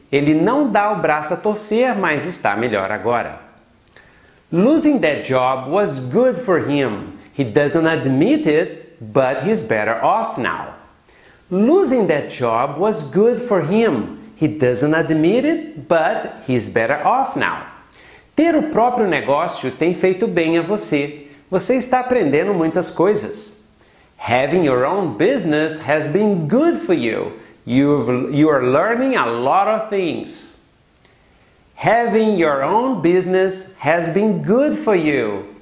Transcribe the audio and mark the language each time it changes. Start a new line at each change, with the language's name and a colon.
Portuguese: Ele não dá o braço a torcer, mas está melhor agora.
English: Losing that job was good for him. He doesn't admit it, but he's better off now. Losing that job was good for him. He doesn't admit it, but he's better off now.
Portuguese: Ter o próprio negócio tem feito bem a você. Você está aprendendo muitas coisas.
English: Having your own business has been good for you. You are learning a lot of things. Having your own business has been good for you.